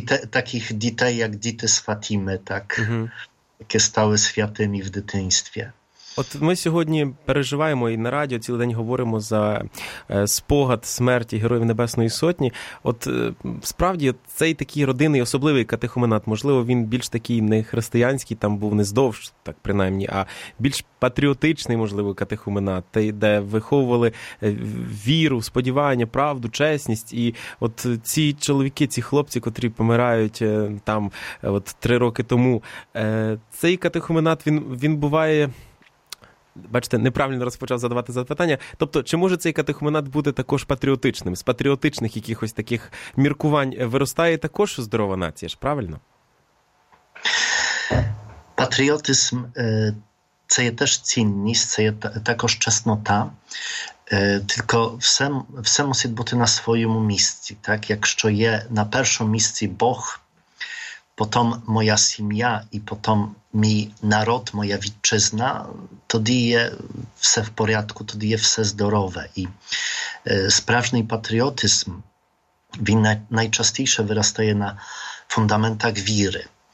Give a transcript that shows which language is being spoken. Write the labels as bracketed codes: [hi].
[pl] Takich dzieci jak dzieci z Fatimy, tak, jakie stały świętymi w dzieciństwie. [uk] От ми сьогодні переживаємо і на радіо цілий день говоримо за спогад смерті Героїв Небесної Сотні. От справді цей такий родинний особливий катехуменат, можливо, він більш такий не християнський, там був не здовж, так принаймні, а більш патріотичний, можливо, катехуменат, той, де виховували віру, сподівання, правду, чесність. І от ці чоловіки, ці хлопці, котрі помирають там от 3 роки тому, цей катехуменат, він буває... Бачите, неправильно розпочав задавати запитання. Тобто, чи може цей катехуменат бути також патріотичним? З патріотичних якихось таких міркувань виростає також здорова нація ж, правильно? Патріотизм – це є теж цінність, це є також чеснота. [pl] Tylko все musi być na swoim miejscu, tak? [uk] Якщо є на першому місці Бог, потім моя сім'я і потім мій народ, моя вітчизна, тоді є все в порядку, тоді є все здорове. І справжній патріотизм, він найчастіше виростає на фундаментах віри.